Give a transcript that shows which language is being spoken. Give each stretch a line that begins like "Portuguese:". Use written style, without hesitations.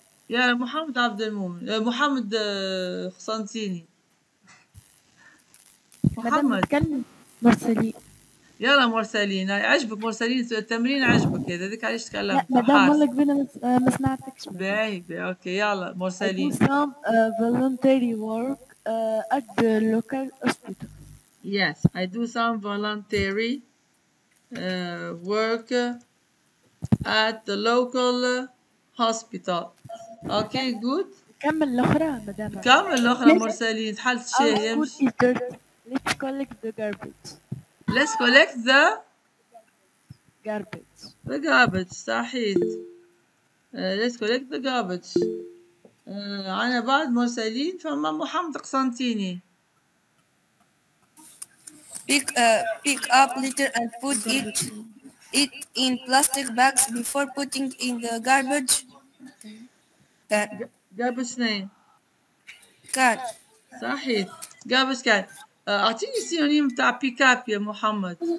Arabic: يا محمد عبد المومن محمد قسنطيني محمد مرسلين يلا مرسلين عجبك مرسلين التمرين عجبك هذا ذيك علاش تكلم لا مدام مالك بينا ما سمعتكش باهي باهي اوكي يلا مرسلين
English: voluntary work at the local hospital. Yes, I do some voluntary work at the local hospital. Okay, good.
Arabic: كمل الأخرى مدام. كمل الأخرى مرسلين. حلت شيء يمشي.
English: Our school is dirty. Let's collect the garbage. Let's collect the garbage. The garbage. صحيح. Let's collect the garbage.
Arabic: أنا بعد مرسلين فما محمد قسنطيني.
English: Pick up litter and put it in plastic bags before putting in the garbage can. Garbage name. Can.
Arabic: صحيح.
English: Garbage can.
Arabic: أعطيني synonym بتاع
English: pick up
Arabic: يا محمد.